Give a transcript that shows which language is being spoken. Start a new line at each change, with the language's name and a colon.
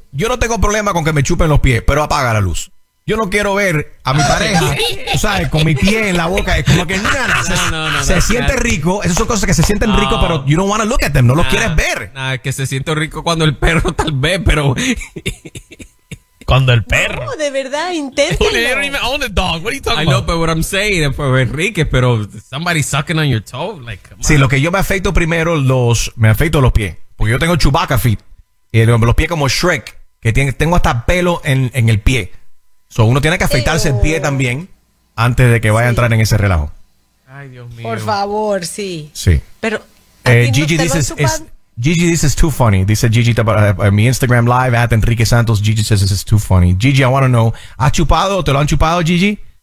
Spanish: Yo no tengo problema con que me chupen los pies, pero apaga la luz. Yo no quiero ver a mi pareja, ¿sabes? Con mi pie en la boca. Es como que no, se siente rico. Esas son cosas que se sienten rico, pero
English: you don't want to look at them.
Spanish: No los quieres ver. Nada, que se siente rico cuando el perro tal vez, pero... Cuando el perro. No, de verdad, inténtelo.
English: Julio, you don't even own the dog. What are you talking about? I know, but what I'm saying is for Enrique,
Spanish: pero
English: somebody sucking on your toe. Like,
Spanish: sí, lo que yo me afeito primero, me afeito los pies. Porque yo tengo
English: Chewbacca feet.
Spanish: Y los pies como Shrek, que tengo hasta pelo en el pie. So uno tiene que afeitarse el pie también antes de que vaya a entrar en ese relajo. Ay, Dios mío. Por favor, sí. Sí. Pero Gigi dice,
English: Gigi, this is too funny. They said Gigi about mi Instagram live at Enrique Santos. Gigi says this is too funny. Gigi, I want to know.
Spanish: ¿Has chupado o te lo han chupado, Gigi?